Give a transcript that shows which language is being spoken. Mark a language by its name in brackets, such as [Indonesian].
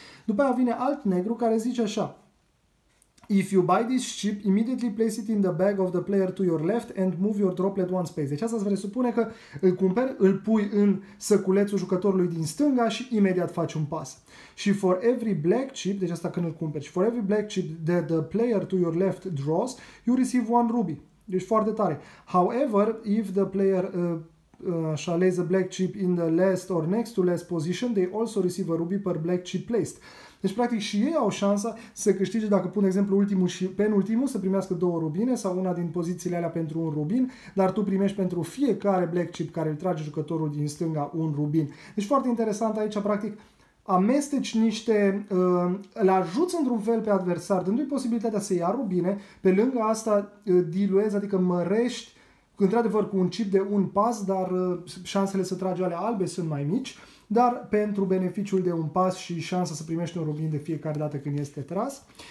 [Romanian] După aia vine alt negru care zice așa: [English] if you buy this chip, immediately place it in the bag of the player to your left and move your droplet one space. [Romanian] Deci asta îți presupune că îl cumperi, îl pui în săculețul jucătorului din stânga și imediat faci un pas. Și [English] for every black chip, [Romanian] deci asta când îl cumperi, și [English] for every black chip that the player to your left draws, you receive one ruby. [Romanian] Deci foarte tare. [English] However, if the player shalleys a black chip in the last or next to last position, they also receive a ruby per black chip placed. [Romanian] Deci, practic, și ei au șansa să câștige, dacă pun exemplu ultimul și penultimul, să primească două rubine sau una din pozițiile alea pentru un rubin, dar tu primești pentru fiecare black chip care îl trage jucătorul din stânga un rubin. Deci, foarte interesant aici, practic, amesteci niște, îl ajuți într-un fel pe adversar, dându-i posibilitatea să ia rubine, pe lângă asta diluezi, adică mărești într-adevăr cu un chip de un pas, dar șansele să tragi alea albe sunt mai mici, dar pentru beneficiul de un pas și șansa să primești un rubin de fiecare dată când este tras.